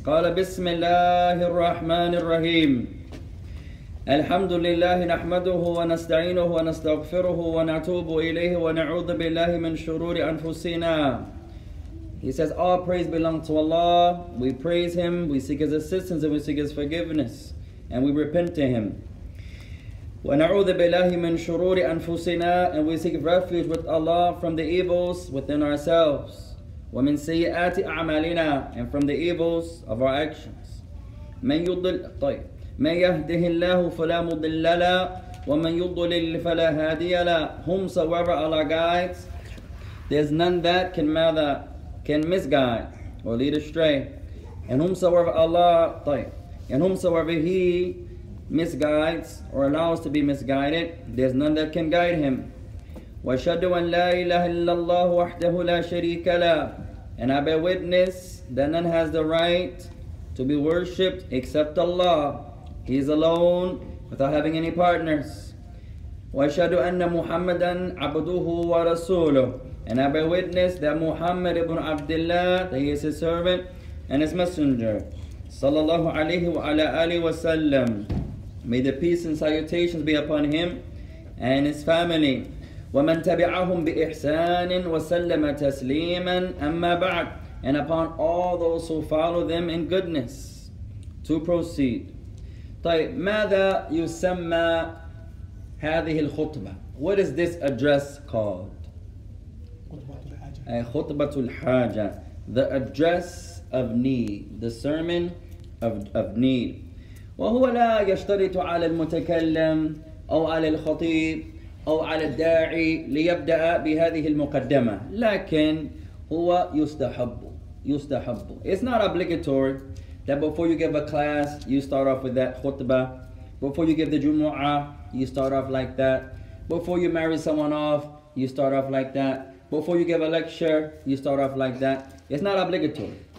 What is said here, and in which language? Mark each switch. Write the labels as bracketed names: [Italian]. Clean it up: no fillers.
[Arabic] قال بسم الله الرحمن الرحيم. الحمد لله نحمده ونستعينه ونستغفره ونتوب إليه ونعوذ بالله من شرور أنفسنا. [English] He says, all praise belongs to Allah. We praise Him, we seek His assistance, and we seek His forgiveness, and we repent to Him. [Arabic] ونعوذ بالله من شرور أنفسنا, [English] and we seek refuge with Allah from the evils within ourselves. [Arabic] ومن سيئات أعمالنا, [English] and from the evils of our actions. [Arabic] من يضل طيب. من يهده الله فلا مضل له ومن يضلل فلا هادي له. [English] Whomsoever Allah guides, there's none that can misguide or lead astray. And whomsoever Allah, طيب. And whomsoever He misguides or allows to be misguided, there's none that can guide him. [Arabic] وأشهد أن لا إله إلا الله وحده لا شريك له. [English] And I bear witness that none has the right to be worshipped except Allah. He is alone, without having any partners. [Arabic] وَأَشْهَدُ أَنَّ مُحَمَّدًا عَبْدُهُ وَرَسُولُهُ. [English] And I bear witness that Muhammad ibn Abdullah, that he is his servant and his messenger. [Arabic] صلى الله عليه وعلى آله وسلم. [English] May the peace and salutations be upon him and his family. [Arabic] وَمَنْ تَبِعَهُمْ بِإِحْسَانٍ وَسَلَّمَ تَسْلِيمًا أَمَّا بَعْدٍ. [English] And upon all those who follow them in goodness. To proceed. [Arabic] طيب, ماذا يسمى هذه الخطبة? [English] What is this address called? [Arabic] خطبة الحاجة. [English] The address of need. The sermon of need. [Arabic] وهو لا يشترط على المتكلم أو على الخطيب أو على الداعي ليبدأ بهذه المقدمة. لكن هو يستحب. يستحب. [English] It's not obligatory that before you give a class, you start off with that khutbah. Before you give the jumu'ah, you start off like that. Before you marry someone off, you start off like that. Before you give a lecture, you start off like that. It's not obligatory.